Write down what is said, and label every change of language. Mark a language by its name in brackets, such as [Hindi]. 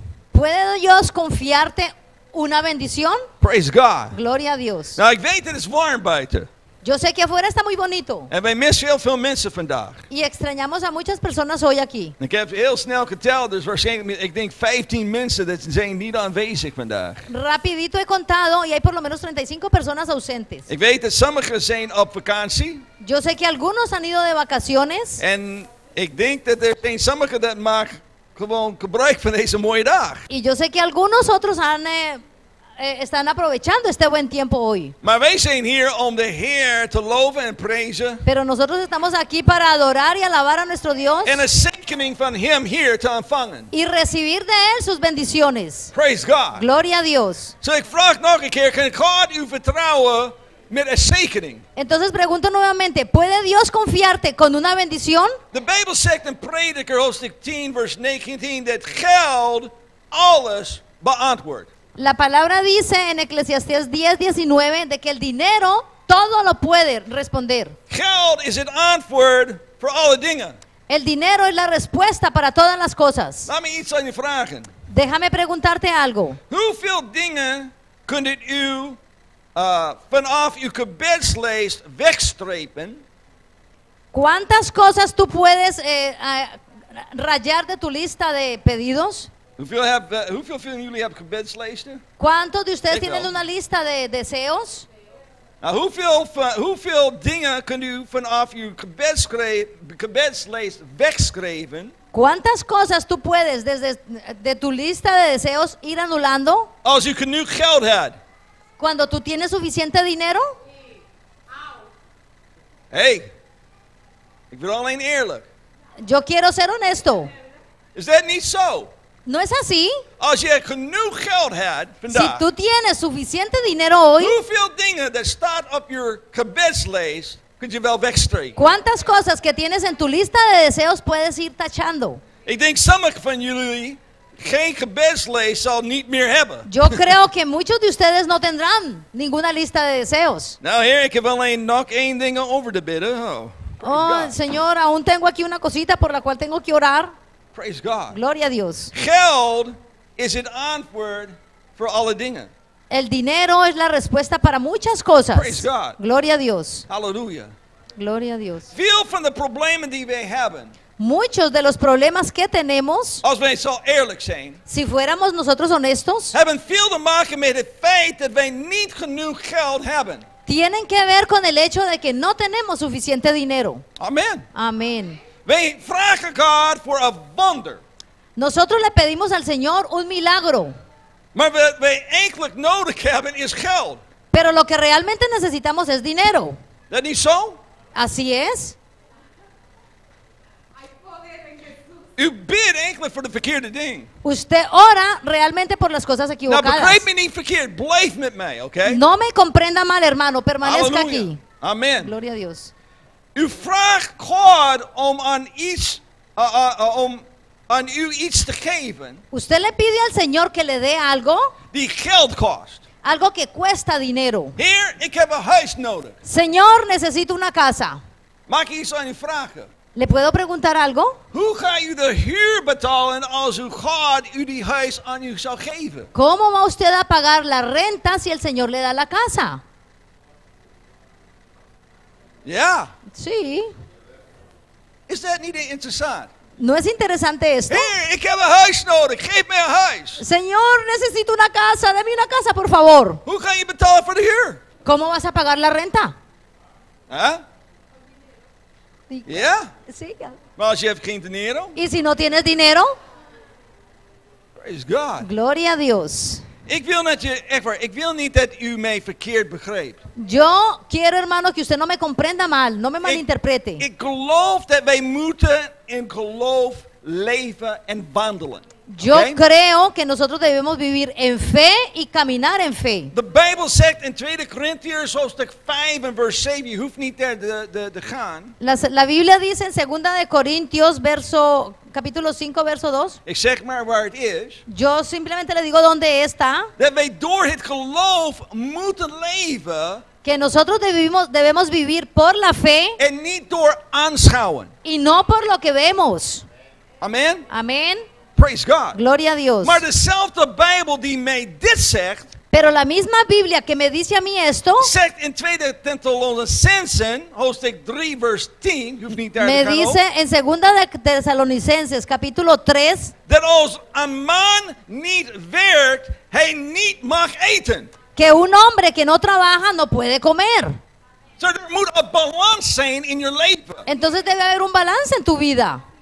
[Spanish] ¿Puede Dios confiarte una bendición? [English] Praise God. [Spanish] Gloria a Dios. [Dutch] Nou, ik weet dat het warm buiten. [Spanish] Yo sé que afuera está muy bonito. [Dutch] En wij missen heel veel mensen vandaag. [Spanish] Y extrañamos a muchas personas hoy aquí. [Dutch] Ik heb heel snel geteld, dus waarschijnlijk, ik denk 15 mensen dat zijn niet aanwezig vandaag. [Spanish] Rapidito he contado y hay por lo menos 35 personas ausentes. [Dutch] Ik weet dat sommigen zijn op vakantie. [Spanish] Yo sé que algunos han ido de vacaciones. [Dutch] En ik denk dat er zijn sommigen dat mag gewoon gebruik van deze mooie dag. [Spanish] Y yo sé que algunos otros han están aprovechando este buen tiempo hoy. [Dutch] Maar wij zijn hier om de Heer te loven en prijzen. [Spanish] Pero nosotros estamos aquí para adorar y alabar a nuestro Dios. [Dutch] En een zegening van Hem hier te ontvangen. [Spanish] Y recibir de Él sus bendiciones. [English] Praise God. [Spanish] Gloria a Dios. [Dutch] So ik vraag nog een keer, kan God u vertrouwen met een zegening? [Spanish] Entonces pregunto nuevamente, ¿puede Dios confiarte con una bendición? [English] The Bible [Dutch] zegt in Prediker hoofdstuk 10 verse 19 dat geld alles beantwoordt. [Spanish] La palabra dice en Eclesiastés 10:19 de que el dinero todo lo puede responder. [Dutch] Geld is [English] an [Dutch] antwoord [English] for [Dutch] alle dingen. [Spanish] El dinero es la respuesta para todas las cosas. [Dutch] Laat me iets aan je vragen. [Spanish] Déjame preguntarte algo. [Dutch] Hoeveel dingen kunt u vanaf uw gebedslijst wegstrepen? [Spanish] ¿Cuántas cosas tú puedes rayar de tu lista de pedidos? [Dutch] Hoeveel van jullie hebben gebedslijsten? [Spanish] ¿Cuántos de ustedes tienen una lista de deseos? [Dutch] Nou, hoeveel dingen kunt u vanaf uw gebedslijst wegschrijven? [Spanish] ¿Cuántas cosas tú puedes desde de tu lista de deseos ir anulando? [Dutch] Als u genoeg geld had. [Spanish] ¿Cuando tú tienes suficiente dinero? [Dutch] Hey, ik wil alleen eerlijk. [Spanish] Yo quiero ser honesto. [Dutch] Is dat niet zo? [Spanish] No es así. [Dutch] Als je genoeg geld had vandaag. [Spanish] Si tú tienes suficiente dinero hoy. [Dutch] Hoeveel dingen dat staat op je gebedslijst kun je wel wegstrepen? [Spanish] ¿Cuántas cosas que tienes en tu lista de deseos puedes ir tachando? [Dutch] Ik denk sommige van jullie geen gebedslijst zal niet meer hebben. [Spanish] Yo creo que muchos de ustedes no tendrán ninguna lista de deseos. [Dutch] Nou, Heer, ik heb alleen nog één ding over te bidden. Oh, [Spanish] Señor, aún tengo aquí una cosita por la cual tengo que orar. [English] Praise God. [Spanish] Gloria a Dios. [Dutch] Geld is [English] an [Dutch] antwoord [English] for [Dutch] alle dingen. [Spanish] El dinero es la respuesta para muchas cosas. [English] Praise God. [Spanish] Gloria a Dios. Hallelujah. Gloria a Dios. [English] Feel from the [Dutch] problemen die wij hebben. [Spanish] Muchos de los problemas que tenemos. [Dutch] Als wij zo eerlijk zijn. [Spanish] Si fuéramos nosotros honestos. [Dutch] Hebben veel te maken met het feit dat wij niet genoeg geld hebben. [Spanish] Tienen que ver con el hecho de que no tenemos suficiente dinero. Amen. Amen. [Dutch] We vragen God [English] for a wonder. [Spanish] Nosotros le pedimos al Señor un milagro. [Dutch] Maar wat we eigenlijk nodig hebben is geld. [Spanish] Pero lo que realmente necesitamos es dinero. [English] That is so? [Spanish] Así es. [Dutch] U bidt eigenlijk voor de verkeerde ding. [Spanish] Usted ora realmente por las cosas equivocadas. [Dutch] Now, begrijp me niet verkeerd. Blijf met mij, okay? [Spanish] No me comprenda mal, hermano. Permanezca Hallelujah. Aquí. Amen. Gloria a Dios. [Dutch] U vraagt God om aan iets om aan u iets te geven. [Spanish] Usted le pide al Señor que le dé algo. [Dutch] Die geld kost. [Spanish] Algo que cuesta dinero. [Dutch] Here, ik heb een huis nodig. [Spanish] Señor, necesito una casa. [Dutch] Mag ik iets aan u vragen? [Spanish] ¿Le puedo preguntar algo? [Dutch] Hoe ga u de huur betalen als uw God u die huis aan u zou geven? [Spanish] ¿Cómo va usted a pagar la renta si el Señor le da la casa? [English] Yeah. [Spanish] Sí. [English] Is that not interesting? [Spanish] ¿No es interesante esto? [Dutch] Hey, ik heb een huis nodig. Geef me een huis. [Spanish] Señor, necesito una casa. Deme una casa, por favor. [Dutch] Hoe ga je betalen voor de huur? [Spanish] ¿Cómo vas a pagar la renta? [English] Yeah? [Spanish] Sí. [Dutch] Maar als je hebt geen [Spanish] dinero? ¿Y si no tienes dinero? [English] Praise God. [Spanish] Gloria a Dios. [Dutch] Ik wil niet dat u mij verkeerd begreep. [Spanish] Yo quiero, hermano, que usted no me comprenda mal, no me malinterprete. [Dutch] Ik geloof dat wij moeten in geloof leven en wandelen. [Spanish] Yo creo que nosotros debemos vivir en fe y caminar en fe. [English] The Bible says in 2 Corinthians hoofdstuk 5 and verse 7, you [Dutch] hoeft niet daar te gaan. [Spanish] La Biblia dice en 2 de Corintios verso capítulo 5 verso 2. [Dutch] Ik zeg maar waar het is. [Spanish] Yo simplemente le digo dónde está. [Dutch] Dat wij door het geloof moeten leven. [Spanish] Que nosotros debemos vivir por la fe. [Dutch] En niet door aanschouwen. [Spanish] Y no por lo que vemos. Amen. Amen. [English] Praise God. [Spanish] Gloria a Dios. [Dutch] Maar dezelfde Bijbel die mij dit zegt. [Spanish] Pero la misma Biblia que me dice a mí esto. [Dutch] Zegt in 2 Thessalonicenses hoofdstuk 3 vers 10. Je hoeft niet daar [Spanish] me [Dutch] te [Spanish] dice [Dutch] op, [Spanish] en 2 de Thessalonicenses capítulo 3. [Dutch] Dat als een man niet werkt, hij niet mag eten. [Spanish] Que un hombre que no trabaja no puede comer. [English] So there [Dutch] moet [English] a balance [Dutch] zijn [English] in your life. [Spanish] Entonces debe haber un balance en tu vida.